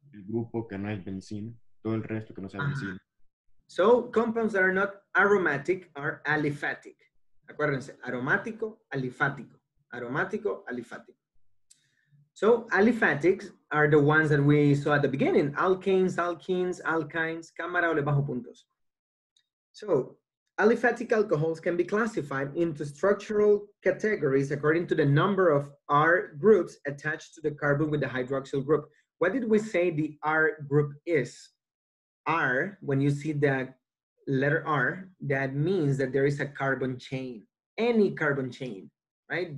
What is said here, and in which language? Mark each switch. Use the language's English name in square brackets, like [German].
[Spanish] El grupo que no es benzene, todo el resto que no sea benzene. [English] So, compounds that are not aromatic are aliphatic. [Spanish] Acuérdense, aromático, aliphático. Aromático, aliphático. [English] So, aliphatics are the ones that we saw at the beginning. Alkanes, alkenes, alkynes, [Spanish] cámara o le bajo puntos. [English] So, aliphatic alcohols can be classified into structural categories according to the number of R groups attached to the carbon with the hydroxyl group. What did we say the R group is? R, when you see the letter R, that means that there is a carbon chain, any carbon chain, right?